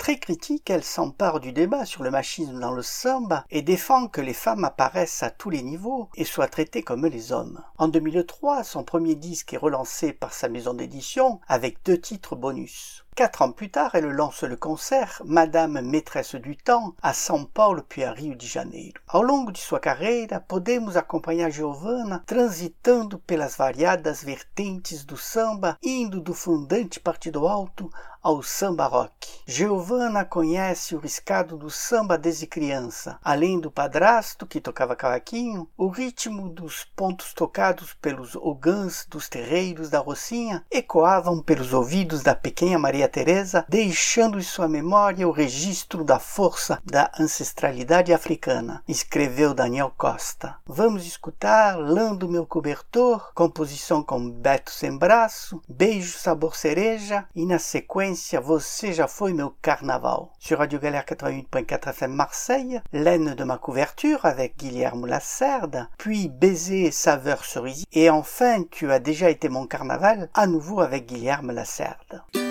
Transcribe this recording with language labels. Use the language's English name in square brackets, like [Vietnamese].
[French] Très critique, elle s'empare du débat sur le machisme dans le samba et défend que les femmes apparaissent à tous les niveaux et soient traitées comme les hommes. En 2003, son premier disque est relancé par sa maison d'édition avec deux titres bonus. 4 ans plus tard, elle lance le concert Madame Maîtresse du Temps à São Paulo puis à Rio de Janeiro. [Portuguese] Au long de sua carreira, podemos acompanhar Giovanna transitando pelas variadas vertentes do samba, indo do fundante Partido Alto ao samba rock. Giovanna conhece o riscado do samba desde criança. Além do padrasto, que tocava cavaquinho, o ritmo dos pontos tocados pelos ogãs dos terreiros da Rocinha ecoavam pelos ouvidos da pequena Maria Teresa, deixando em sua memória o registro da força da ancestralidade africana, escreveu Daniel Costa. Vamos escutar Lando Meu Cobertor, composição com Beto Sembrasso, Beijo Sabor Cereja e, na sequência, Você Já Foi Meu Carnaval. [French] Sur Radio Galère 88.4 FM Marseille, Laine de ma couverture avec Guilherme Lacerde, puis Baiser Saveur Cerisier, et enfin Tu as déjà été mon carnaval, à nouveau avec Guilherme Lacerde.